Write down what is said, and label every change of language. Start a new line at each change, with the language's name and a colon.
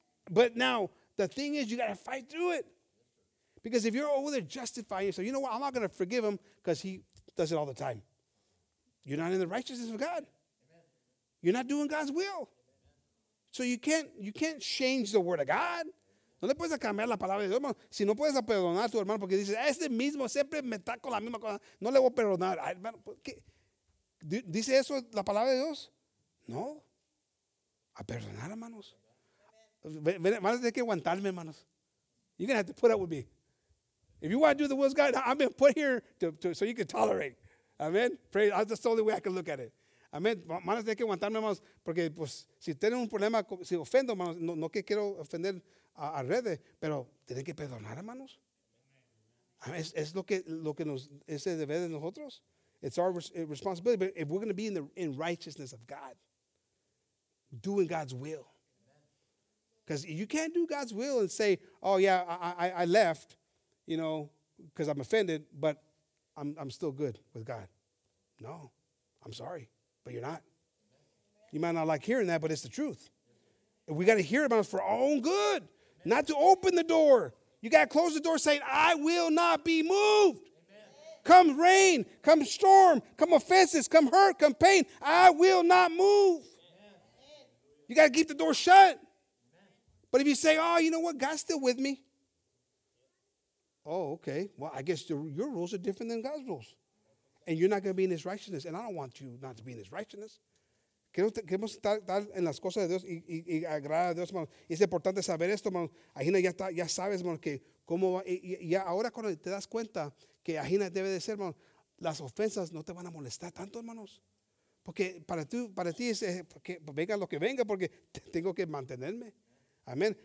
English: But now, the thing is, you got to fight through it. Because if you're over there justifying yourself, you know what? I'm not going to forgive him because he does it all the time. You're not in the righteousness of God. Amen. You're not doing God's will. Amen. So you can't change the word of God.
Spanish: No le puedes cambiar la palabra de Dios, hermano. Si no puedes perdonar a tu hermano porque dices, este mismo siempre me está con la misma cosa. No le voy a perdonar. Ay, hermano, ¿qué? ¿Dice eso la palabra de Dios? No. A perdonar, hermanos. Van a tener que aguantarme, hermanos.
English: You're going to have to put up with me. If you want to do the will of God, I've been put here to so you can tolerate. Amen. Pray. That's the only way I can look at it. Amen.
Spanish: Van a tener que aguantarme, hermanos, porque pues si tienen un problema, si ofendo, hermanos, no que quiero ofender a redes, pero tienen que perdonar, hermanos. Amen. Es lo que nos es el deber de nosotros.
English: It's our responsibility. But if we're going to be in righteousness of God, doing God's will. Because you can't do God's will and say, oh, yeah, I left, you know, because I'm offended, but I'm still good with God. No, I'm sorry, but you're not. You might not like hearing that, but it's the truth. And we got to hear about it for our own good, not to open the door. You got to close the door saying, I will not be moved. Amen. Come rain, come storm, come offenses, come hurt, come pain. I will not move. Amen. You got to keep the door shut. But if you say, oh, you know what? God's still with me. Oh, okay. Well, I guess your rules are different than God's rules. And you're not going to be in his righteousness. And I don't want you not to be in his righteousness.
Spanish: Queremos estar en las cosas de Dios y agradar a Dios, hermano. Y es importante saber esto, hermano. Ajina, ya sabes, hermano, que cómo va. Y ahora cuando te das cuenta que Ajina debe de ser, hermano, las ofensas no te van a molestar tanto, hermanos. Porque para ti es que venga lo que venga, porque tengo que mantenerme. Amén.